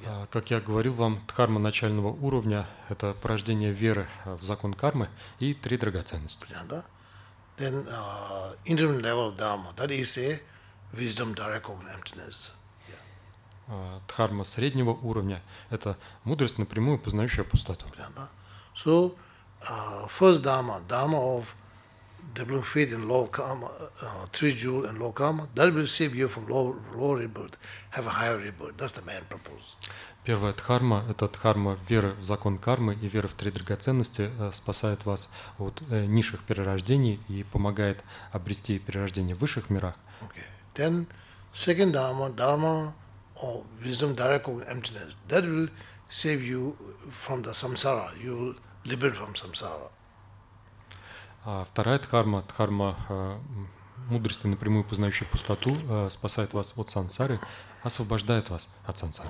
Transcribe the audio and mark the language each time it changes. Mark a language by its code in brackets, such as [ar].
[ru] Как я говорил вам, дхарма начального уровня – это порождение веры в закон кармы и три драгоценности. [en] Then intermediate level of dharma, that is a wisdom direct cognitive emptiness. [ru] Дхарма среднего уровня – это мудрость напрямую познающая пустоту. [en] So first dharma of developing faith in law of karma, three jewels and law of karma, that will save you from lower rebirth, have a higher rebirth. That's the main purpose. [ru] Первая дхарма – это дхарма веры в закон кармы и веры в три драгоценности спасает вас от низших перерождений и помогает обрести перерождение в высших мирах. [en] Okay. Then second dharma of wisdom direct cognitive emptiness, that will save you from the samsara. You will liberate from samsara. [ru] Вторая дхарма – дхарма мудрости, напрямую познающей пустоту, спасает вас от сансары, освобождает вас от сансары.